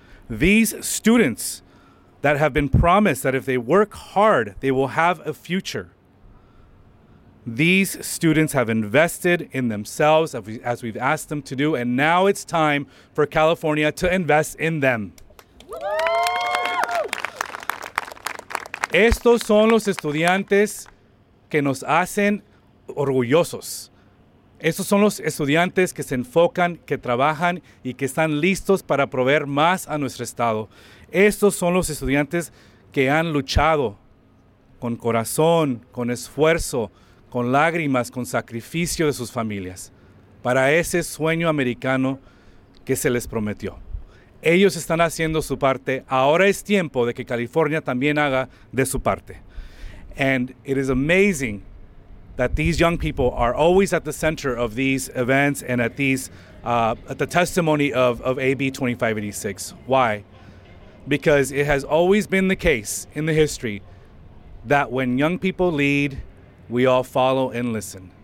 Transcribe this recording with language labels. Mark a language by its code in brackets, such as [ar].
[en] These students that have been promised that if they work hard, they will have a future. These students have invested in themselves as we've asked them to do, and now it's time for California to invest in them. [es] Estos son los estudiantes que nos hacen orgullosos. Estos son los estudiantes que se enfocan, que trabajan y que están listos para proveer más a nuestro estado. Estos son los estudiantes que han luchado con corazón, con esfuerzo, con lágrimas, con sacrificio de sus familias para ese sueño americano que se les prometió. Ellos están haciendo su parte. Ahora es tiempo de que California también haga de su parte. [en] And it is amazing that these young people are always at the center of these events and at these, at the testimony of AB 2586. Why? Because it has always been the case in the history that when young people lead, we all follow and listen.